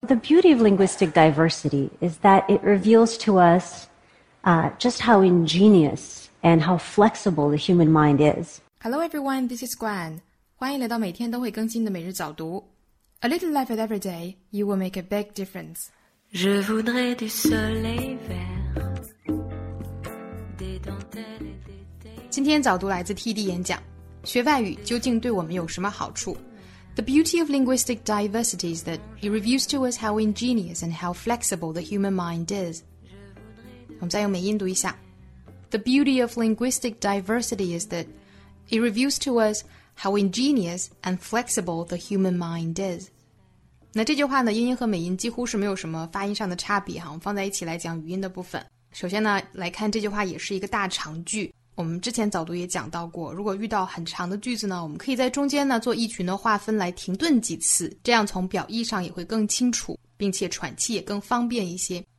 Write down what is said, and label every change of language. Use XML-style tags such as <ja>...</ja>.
<en>The beauty of linguistic diversity is that it reveals to us just how ingenious and how flexible the human mind is. Hello everyone, this is Gwen.</en> <zh>欢迎来到每天都会更新的每日早读。</zh> <en>A little life every day, you will make a big difference.</en> <fr>Je voudrais du soleil vert, des dentelles et des dents.</fr> <zh>今天早读来自 TD 演讲，学外语究竟对我们有什么好处？</zh> <en>The beauty of linguistic diversity is that it reveals to us how ingenious and how flexible the human mind is.</en> <zh>我们再用美音读一下。</zh> <en>The beauty of linguistic diversity is that it reveals to us how ingenious and flexible the human mind is.</en> <zh>那这句话呢，英音和美音几乎是没有什么发音上的差别哈。我们放在一起来讲语音的部分。首先呢，来看这句话也是一个大长句。我们之前早读也讲到过，如果遇到很长的句子呢，我们可以在中间呢做意群的划分来停顿几次，这样从表意上也会更清楚，并且喘气也更方便一些。</zh>